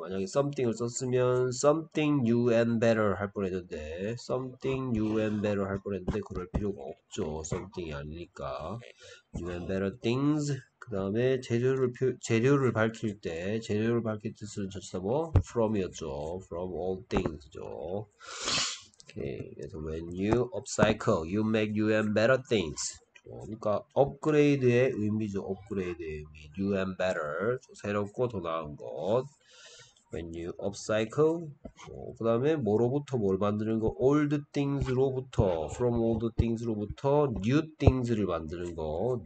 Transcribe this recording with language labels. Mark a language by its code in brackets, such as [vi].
[ko] 만약에 something을 썼으면 [en] something new and better [ko] 할 뻔했는데 something new and better 할 뻔했는데 그럴 필요가 없죠. something이 아니니까 [en] new and better things. [ko] 그 다음에 재료를 밝힐 때 재료를 밝힐 때 쓰는 전치사 뭐? from이었죠. [en] from all things [ko] 죠. 오케이. [en] 그래서 when you upcycle, you make new and better things. [ko] 그러니까 업그레이드의 의미죠. 업그레이드의 의미. [en] new and better. [ko] 새롭고 더 나은 것. [en] when you upcycle. [ko] 그다음에 뭐로부터 뭘 만드는 거? old things로부터 [en] from old things [ko] 로부터 new things를 만드는 거.